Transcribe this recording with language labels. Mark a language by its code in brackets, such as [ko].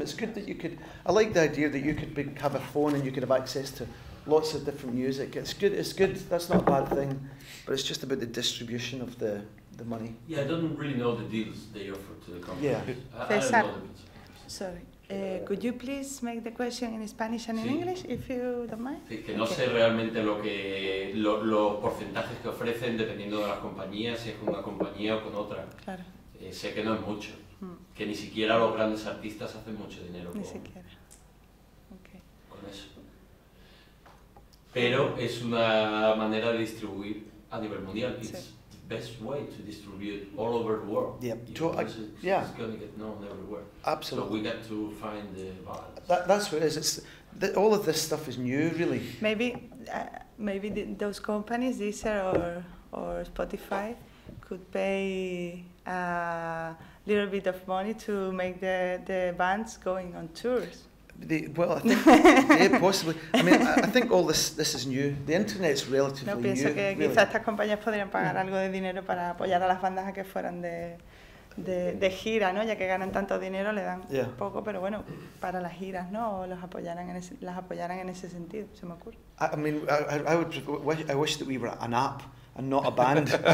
[en] It's good that you could, I like the idea that you could be, have a phone and you could have access to lots of different music. It's good. That's not a bad thing, but it's just about the distribution of the money. Yeah, I don't really know the deals they offer to the company. Yeah. Could you please make the question in Spanish and in English, if you don't mind? [es] Sí, que no sé realmente lo que los porcentajes que ofrecen dependiendo de las compañías, si es con una compañía o con otra. Claro. Sé que no es mucho, que ni siquiera los grandes artistas hacen mucho dinero. Ni siquiera. Pero es una manera de distribuir a nivel mundial. [en] It's the best way to distribute all over the world. Yeah, it's going to get known everywhere. Absolutely. So we got to find the balance. That's what it is. All of this stuff is new, really. Maybe those companies, Deezer or Spotify, could pay a little bit of money to make the bands going on tours. I think all this is new. The internet's relatively new. [es] No pienso que quizá estas compañías podrían pagar algo de dinero para apoyar a las bandas a que fueran de gira, ¿no? Ya que ganan tanto dinero, le dan poco, pero bueno, para las giras, ¿no? O las apoyaran en ese sentido, se me ocurre. [en] I wish that we were an app and not a band.